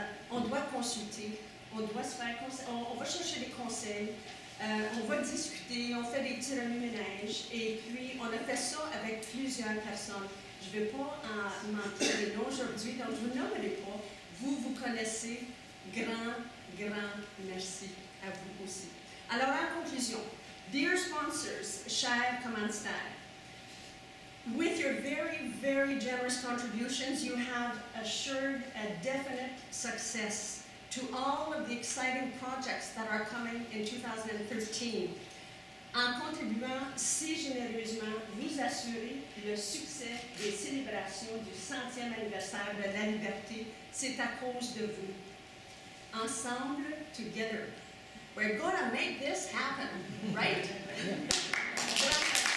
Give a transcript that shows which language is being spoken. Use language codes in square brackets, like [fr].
[fr] on doit consulter, on doit se faire on va chercher des conseils, on va discuter, on fait des tirs à l'ménage, et puis on a fait ça avec plusieurs personnes. Je ne vais pas en manquer de noms aujourd'hui, donc je ne vous nommerai pas. Vous, vous connaissez, grand merci à vous aussi. Alors, en conclusion, [en] dear sponsors, [fr] chers commanditaires, [en] with your very, very generous contributions, you have assured a definite success to all of the exciting projects that are coming in 2013. [fr] En contribuant si généreusement, vous assurez le succès des célébrations du 100e anniversaire de la liberté, c'est à cause de vous. [en] Ensemble, together, we're going to make this happen, right?